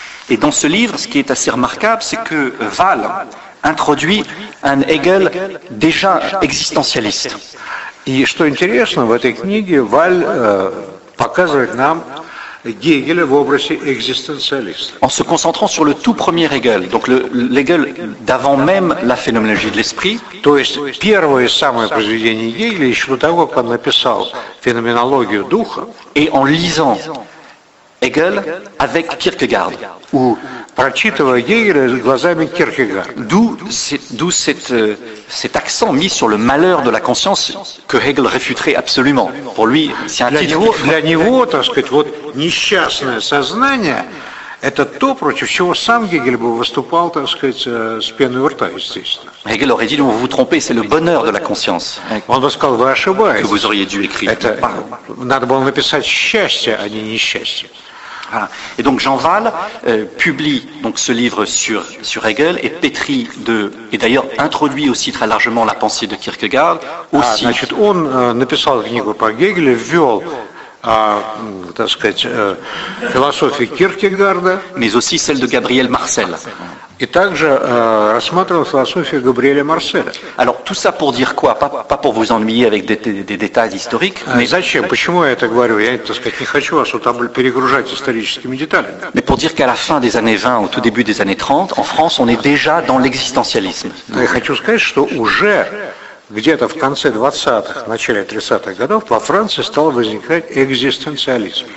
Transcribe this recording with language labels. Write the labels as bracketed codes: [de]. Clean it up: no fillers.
[fr] Et dans ce livre, ce qui est assez remarquable, c'est que Val introduit un Hegel déjà existentialiste. [ru] И что интересно, в этой книге Val показывает нам Гегеля в образе экзистенциалиста. [fr] En se concentrant sur le tout premier Hegel, donc l'Hegel d'avant même la phénoménologie de l'esprit. [ru] То есть первое самое произведение Гегеля еще до того, как он написал феноменологию духа. [fr] Et en lisant Hegel avec Kierkegaard. Ou [ru] прочитывая Гегеля глазами Киркегарда. [fr] D'où cet accent mis sur le malheur de la conscience que Hegel réfuterait absolument. Pour lui, c'est un [ru] для [fr] titre. [ru] Для него, так сказать, вот несчастное сознание – это то, против чего сам Гегель бы выступал, так сказать, с пеной у рта, естественно. [fr] Hegel aurait dit, vous vous trompez, c'est le bonheur de la conscience. [ru] Он бы сказал, вы ошибаетесь. [fr] Que vous auriez dû écrire. [ru] Это, надо было написать счастье, а не несчастье. [fr] Voilà. Et donc Jean Val publie donc ce livre sur Hegel et pétrit de et d'ailleurs introduit aussi très largement la pensée de Kierkegaard aussi. [ru] Значит, он написал книгу по Гегелю, ввел, так сказать, философию Киркегарда, [fr] mais aussi celle de Gabriel Marcel. [ru] И также рассматривал философию Габриэля Марселя. [fr] Alors tout ça pour dire quoi? Pas pour vous ennuyer avec des détails historiques. Mais [ru] зачем? Почему я это говорю? Я, так сказать, не хочу вас перегружать историческими деталями. [fr] Mais pour dire qu'à la fin des années 20, au tout début des années 30, en France, on est déjà dans l'existentialisme. [ru] Я хочу сказать, что уже где-то в конце 20-х, начале 30-х годов во Франции стал возникать экзистенциализм.